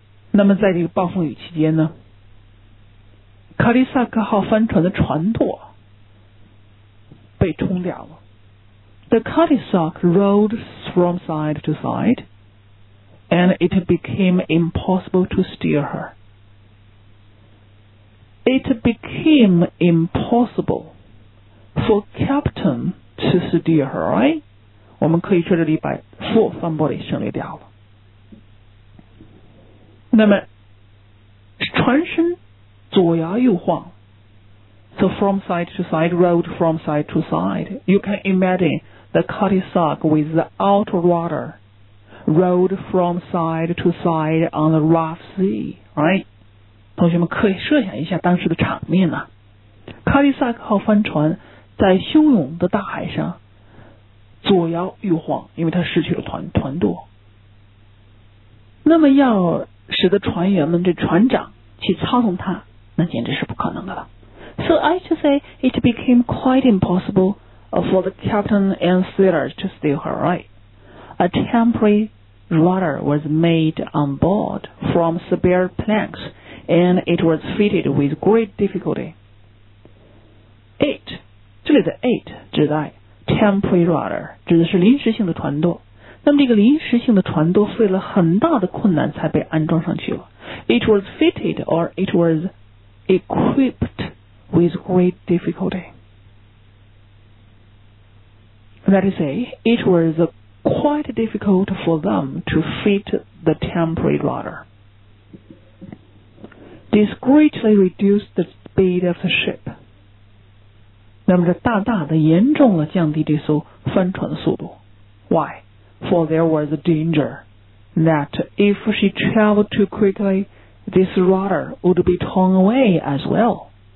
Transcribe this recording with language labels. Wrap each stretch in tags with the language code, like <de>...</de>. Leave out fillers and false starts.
<zh>那么在这个暴风雨期间呢，卡利萨克号帆船的船舵被冲掉了。</zh> <en>The Cul-de-sac rolled from side to side, and it became impossible to steer her. It became impossible for captain to steer her, right?</en> <zh>我们可以说这里把 for somebody 省略掉了。那么船身左摇右晃，</zh> <en>so from side to side, rolled from side to side. You can imagine the Cul-de-sac with the outer rudder rolled from side to side on the rough sea, right?</en> <zh>同学们可以设想一下当时的场面呢。Cul-de-sac 号帆船在汹涌的大海上左摇右晃，因为它失去了船舵。那么要使得船员们这船长去操纵它，那简直是不可能的了。</zh> <en>So I should say it became quite impossible for the captain and sailors to steer her, right? A temporary rudder was made on board from spare planks, and it was fitted with great difficulty.</en> <zh>It, 这里的 it 指代 temporary rudder, 指的是临时性的船舵。那么这个临时性的船舵费了很大的困难才被安装上去了。</zh> <en>It was fitted or it was equipped with great difficulty. That is, it was quite difficult for them to fit the temporary rudder. This greatly reduced the speed of the ship.</en> <zh>那么这大大的严重了降低这艘帆船的速度。</zh> <en>Why? For there was a danger that if she traveled too quickly, this rudder would be torn away as well.</en>